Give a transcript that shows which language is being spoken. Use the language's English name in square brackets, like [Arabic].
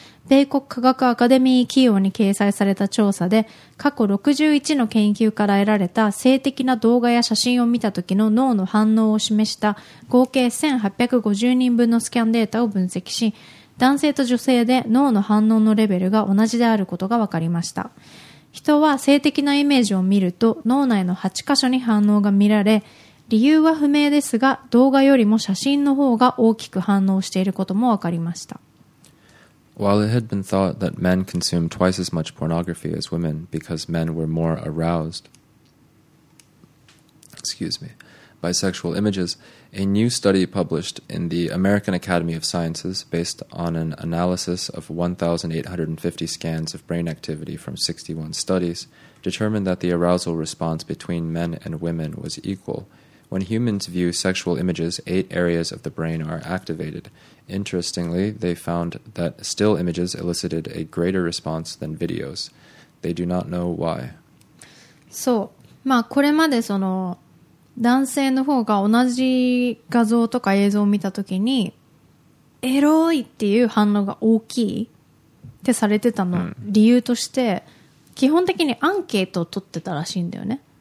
[Japanese] 米国科学アカデミー企業に掲載された調査で、過去61の研究から得られた性的な動画や写真を見た時の脳の反応を示した合計1850人分のスキャンデータを分析し、男性と女性で脳の反応のレベルが同じであることが分かりました。人は性的なイメージを見ると脳内の8箇所に反応が見られ、理由は不明ですが動画よりも写真の方が大きく反応していることも分かりました。 [English] While it had been thought that men consumed twice as much pornography as women because men were more aroused, excuse me, by sexual images, a new study published in the American Academy of Sciences based on an analysis of 1,850 scans of brain activity from 61 studies determined that the arousal response between men and women was equal. When humans view sexual images, 8 areas of the brain are activated. Interestingly, they found that still images elicited a greater response than videos. They do not know why. [Japanese] そう、まあこれまでその男性の方が同じ画像とか映像を見たときにエロいっていう反応が大きいってされてたの、うん、理由として基本的にアンケートを取ってたらしいんだよね。